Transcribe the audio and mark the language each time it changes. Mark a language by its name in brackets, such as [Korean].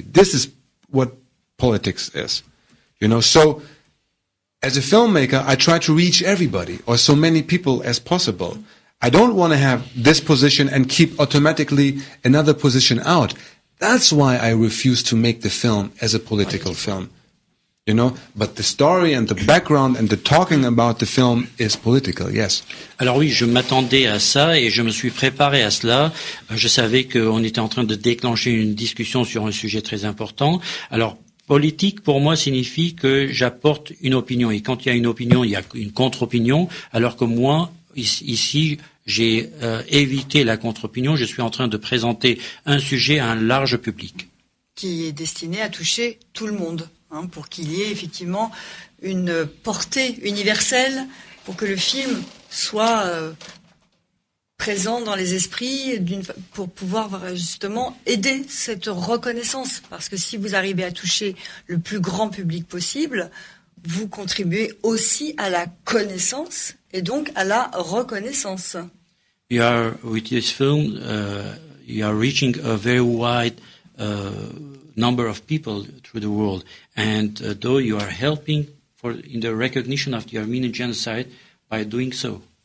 [English] This is what politics is. You know, so as a filmmaker, I try to reach everybody or so many people as possible. I don't want to have this position and keep automatically another position out. That's why I refuse to make the film as a political film. You know, but the story and the background and the talking about the film is political, yes. [French] Alors oui, je m'attendais à ça et je me suis préparé à cela. Je savais qu'on était en train de déclencher une discussion sur un sujet très important. Alors, politique pour moi signifie que j'apporte une opinion. Et quand il y a une opinion, il y a une contre-opinion. Alors que moi, ici, j'ai évité la contre-opinion. Je suis en train de présenter un sujet à un large public. Qui est destiné à toucher tout le monde. Hein, pour qu'il y ait effectivement une portée universelle, pour que le film soit présent dans les esprits, pour pouvoir justement aider cette reconnaissance. Parce que si vous arrivez à toucher le plus grand public possible, vous contribuez aussi à la connaissance et donc à la reconnaissance. [English] You are, with this film, you are reaching a very wide number of people through the world. And though you are helping for in the recognition of the Armenian genocide by doing so.